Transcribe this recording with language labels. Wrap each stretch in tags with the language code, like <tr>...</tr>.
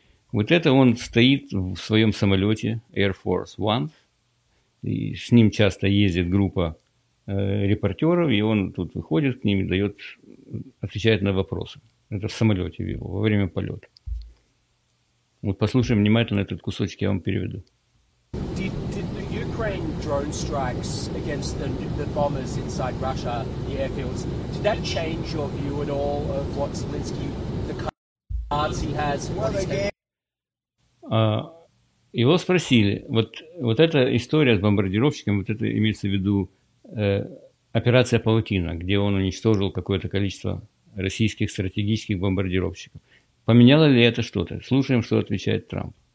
<ru>Вот это он стоит в своем самолете Air Force One. И с ним часто ездит группа репортеров, и он тут выходит к ним и дает, отвечает на вопросы. Это в самолете его, во время полета. Вот послушаем внимательно этот кусочек, я вам переведу.</ru> <en>Ukraine drone strikes against the bombers inside Russia, the airfields. Did that change your view at all of what Zelensky, the cards he has?</en> <ru>Его спросили, вот эта история с бомбардировщиками, вот это имеется в виду операция «Паутина», где он уничтожил какое-то количество российских стратегических бомбардировщиков. Поменяло ли это что-то? Слушаем, что отвечает Трамп.</ru>